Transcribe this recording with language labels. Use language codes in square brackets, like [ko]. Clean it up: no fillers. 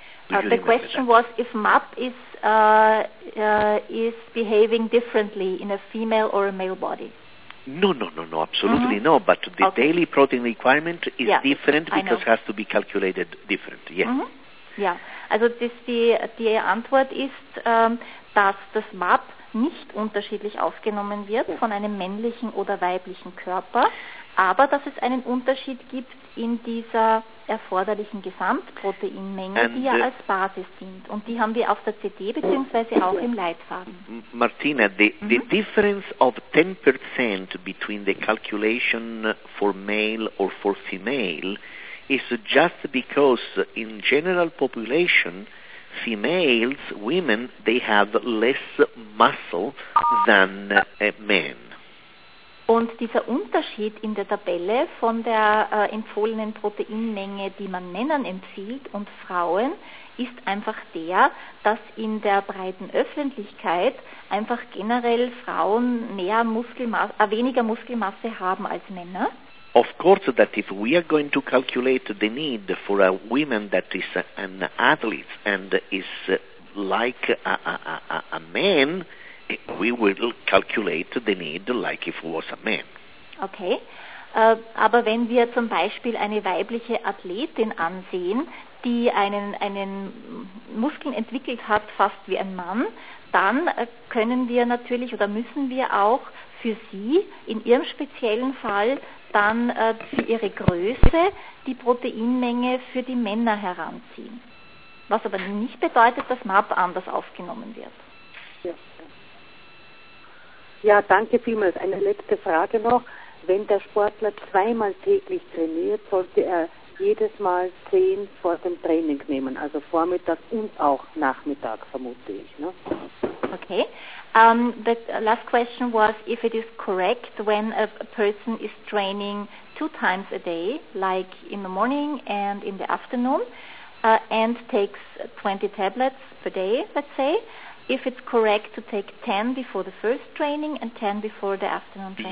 [en] The question was if MAP is behaving differently in a female or a male body. No, absolutely no. But the daily protein requirement is different because it has to be calculated different. Yeah. Mm-hmm. Yeah. [de] Also die Antwort ist, dass das MAP nicht unterschiedlich aufgenommen wird von einem männlichen oder weiblichen Körper, aber dass es einen Unterschied gibt in dieser erforderlichen Gesamtproteinmenge, die ja als Basis dient. Und die haben wir auf der CD bzw. auch im Leitfaden. [en] Martina, the difference of 10% between the calculation for male or for female is just because in general population females, women, they have less muscle than men. [de] Und dieser Unterschied in der Tabelle von der empfohlenen Proteinmenge, die man Männern empfiehlt und Frauen, ist einfach der, dass in der breiten Öffentlichkeit einfach generell Frauen weniger Muskelmasse haben als Männer. [en] Of course, that if we are going to calculate the need for a woman that is an athlete and is like a man, we will calculate the need like if it was a man. [de] Okay, aber wenn wir zum Beispiel eine weibliche Athletin ansehen, die einen Muskeln entwickelt hat, fast wie ein Mann, dann können wir natürlich oder müssen wir auch für sie in ihrem speziellen Fall dann für ihre Größe die Proteinmenge für die Männer heranziehen. Was aber nicht bedeutet, dass MAP anders aufgenommen wird. Ja, danke vielmals. Eine letzte Frage noch. Wenn der Sportler zweimal täglich trainiert, sollte er jedes Mal 10 vor dem Training nehmen, also Vormittag und auch Nachmittag, vermute ich. Ne? Okay. [en] The last question was if it is correct when a person is training 2 times a day, like in the morning and in the afternoon, and takes 20 tablets per day, let's say, if it's correct to take 10 before the first training and 10 before the afternoon training.